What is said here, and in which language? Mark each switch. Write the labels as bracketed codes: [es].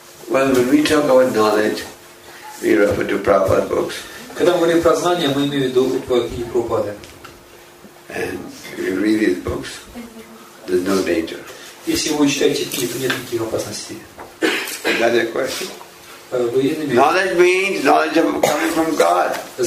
[en] Well, when we talk about knowledge, we refer to Prabhupada books. [ru] Когда мы говорим про знания, мы имеем в виду книги Прабхупады. [en] And if you read these books, there's no danger. [ru] Если вы читаете книги, то нет никаких опасностей. [en] Another question. Knowledge means knowledge coming from God.